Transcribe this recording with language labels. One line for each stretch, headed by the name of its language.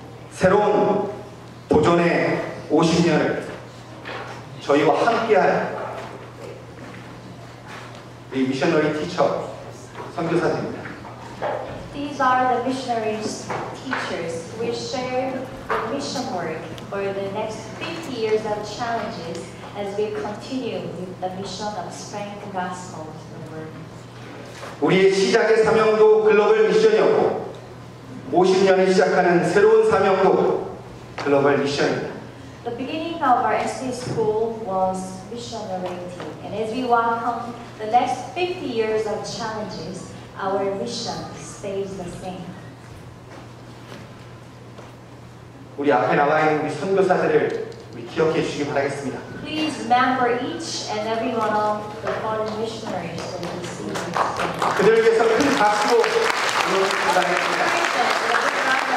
Korean: 새로운 도전의 50년을 저희와 함께할 우리 미셔너리 티처 선교사들입니다.
English: These are the missionaries teachers who will share the mission work for the next 50 years of challenges as we continue with the mission of spreading the gospel to the world.
Korean: 우리의 시작의 사명도 글로벌 미션이었고, 50년이 시작하는 새로운 사명도 글로벌 미션입니다.
English: The beginning of our SDA school was missionary, and as we welcome the next 50 years of challenges, our mission stays the same.
Korean: 우리 앞에 나와 있는 우리 선교사들을 우리 기억해 주시기 바라겠습니다.
English: Please remember each and every one of the foreign missionaries that we see.
Korean: 그들을 위해서 큰 박수로 응원합니다.